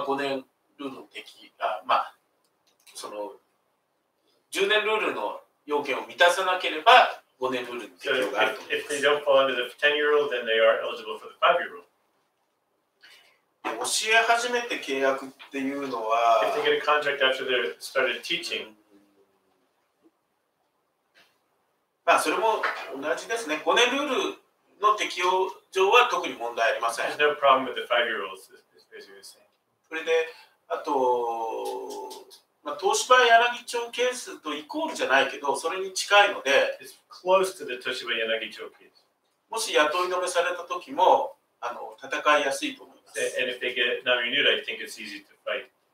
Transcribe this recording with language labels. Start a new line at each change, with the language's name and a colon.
Japanese: あ、5年ルールの適用、あ、まあ、その10年ルールの要件を満たさなければ5年ルールの適用があると思います。
English: If they don't fall under the 10-year rule, then they are eligible for the 5-year rule.
Japanese: 教え始めて契約っていうのは、
English: If they get a contract after they started teaching,
Japanese: まあ、それも同じですね。5年ルールの適用上は特に問題ありません。
English: There's no problem with the five-year rules, as you were saying.
Japanese: それで、あと、まあ、東芝柳町ケースとイコールじゃないけど、それに近いので、
English: It's close to the 東芝柳町ケース。
Japanese: もし雇い止めされた時も、あの、戦いやすいと思います。
English: And if they get non-renewed, I think it's easy to fight.